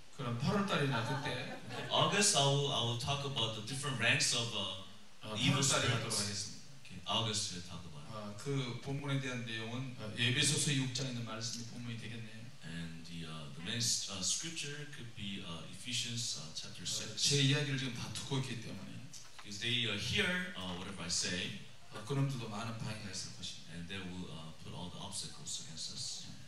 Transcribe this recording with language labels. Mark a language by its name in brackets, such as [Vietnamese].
[Korean] 그럼 8월 달이나 그때. [English] August I will talk about the different ranks of evil spirits. Okay. August we'll talk about. [Korean] 그 본문에 대한 내용은 에베소서 6장에 있는 말씀이 본문이 되겠네요. [English] And the main scripture could be Ephesians chapter 6. [Korean] 제 이야기를 지금 다 듣고 있기 때문에. [English] Because they hear whatever I say. [Korean] 그놈들도 많은 방해가 있을 것입니다. [English] And they will put all the obstacles against us.